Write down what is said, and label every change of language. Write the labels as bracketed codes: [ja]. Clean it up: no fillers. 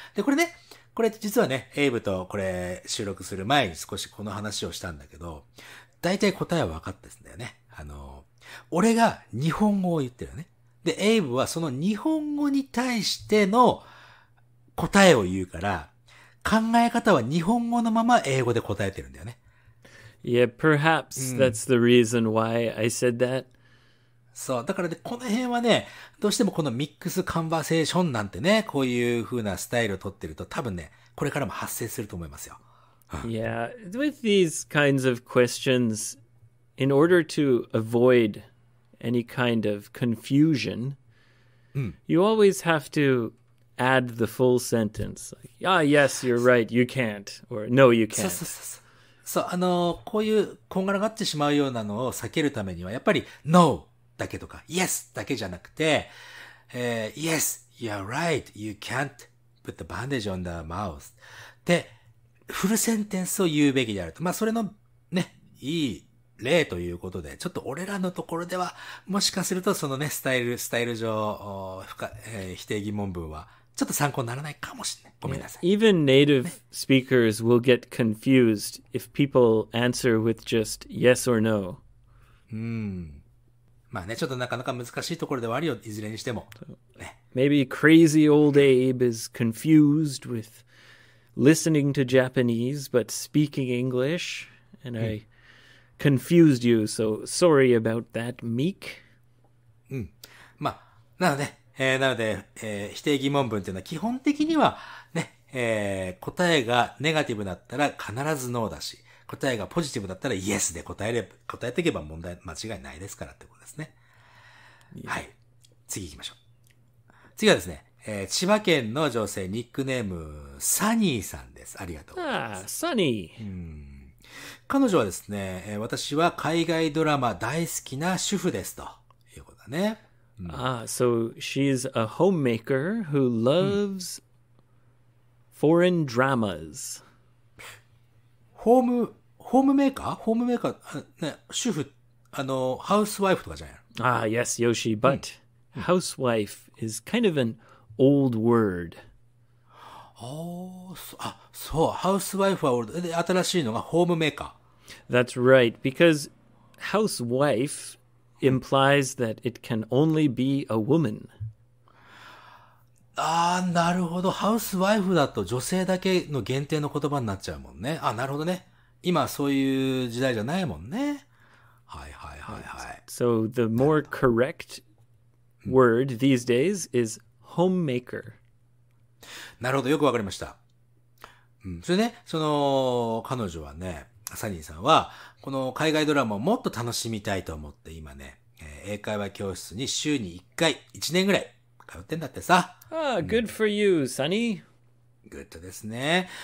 [ja] で、これね、これ実はね、エイブとこれ収録する前に少しこの話をしたんだけど、大体答えは分かってるんだよね。俺が日本語を言ってるよね。で、エイブはその日本語に対しての答えを言うから、考え方は日本語のまま英語で答えてるんだよね。 [en] Yeah, perhaps that's the reason why I said that. [ja] そう、だからね、この辺はね、どうしてもこのミックスカンバーセーションなんてね、こういう風なスタイルを取ってると、多分ね、これからも発生すると思いますよ。 [en] Yeah, with these kinds of questions, in order to avoid any kind of confusion, you always have to add the full sentence. Like, ah, yes, you're right, you can't. Or, no, you can't. [ja] そう、こういう、こんがらがってしまうようなのを避けるためには、やっぱり、No! だけとか、Yes! だけじゃなくて、 [en] Yes! You're right! You can't! [ja] っ [en] put the bandage on the mouth. [ja] って、フルセンテンスを言うべきであると。まあ、それの、ね、いい例ということで、ちょっと俺らのところでは、もしかするとそのね、スタイル上、否定疑問文は、ちょっと参考にならないかもしれない。ごめんなさい。 [en] Yeah. Even native speakers will get confused if people answer with just yes or no. [ja] うん。まあね、ちょっとなかなか難しいところではあるよ、いずれにしても。ね、 [en] Maybe crazy old Abe is confused with listening to Japanese but speaking English, and I confused you, so sorry about that, meek. [ja] うん。まあ、なので、否定疑問文というのは基本的には、ね、答えがネガティブだったら必ずノーだし、答えがポジティブだったらイエスで答えていけば問題間違いないですからってことですね。はい。次行きましょう。次はですね、千葉県の女性、ニックネーム、サニーさんです。ありがとうございます。ああ、サニー。彼女はですね、私は海外ドラマ大好きな主婦ですということだね。 [en] Ah, so she's a homemaker who loves foreign dramas. Homemaker? Homemaker? [ja] ね、主婦、housewife とかじゃない。 [en] Ah, yes, Yoshi, but housewife is kind of an old word. Oh, so, [ja] housewife は old. 新しいのが homemaker. [en] That's right, because housewife... implies that it can only be a woman. [ja] ああ、なるほど。ハウスワイフだと女性だけの限定の言葉になっちゃうもんね。あ、なるほどね。今そういう時代じゃないもんね。はいはいはいはい。 [en] So the more correct word these days is homemaker. [ja] なるほど。よくわかりました。うん。それね、その彼女はね、サニーさんは、この海外ドラマをもっと楽しみたいと思って今ね、英会話教室に週に1回、1年ぐらい通ってんだってさ。 [en] Ah, good for you, Sunny. [ja] Good ですね。